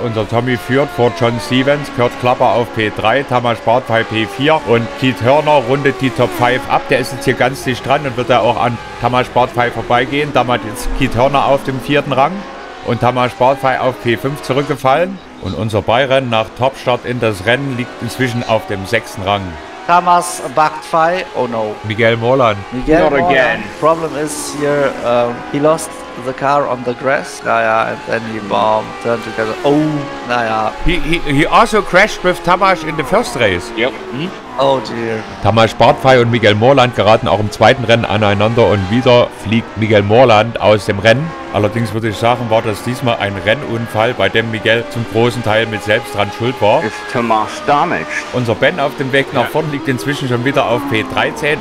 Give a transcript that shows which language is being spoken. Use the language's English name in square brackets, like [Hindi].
[German] Unser Tommy führt vor John Stevens, Kurt Klapper auf P3, Thomas Bartfey P4 und Keith Hörner rundet die Top 5 ab. Der ist jetzt hier ganz dicht dran und wird da auch an Thomas Bartfey vorbeigehen. Damit ist Keith Hörner auf dem vierten Rang und Thomas Bartfey auf P5 zurückgefallen. Und unser Bayern nach Topstart in das Rennen liegt inzwischen auf dem sechsten Rang. [English] Thomas Bartfey, oh no. Miguel Morland. Miguel Morland. Not again. Problem is here, he lost the car on the grass. And then he bombed, turned together. Oh, He also crashed with Thomas in the first race. Yep. Oh dear. [German] Thomas Bartfey und Miguel Morland geraten auch im zweiten Rennen aneinander und wieder fliegt Miguel Morland aus dem Rennen. Allerdings würde ich sagen, war das diesmal ein Rennunfall, bei dem Miguel zum großen Teil mit selbst dran schuld war. [English] Is Thomas damaged? [German] Unser Ben auf dem Weg nach vorne liegt inzwischen schon wieder auf P13.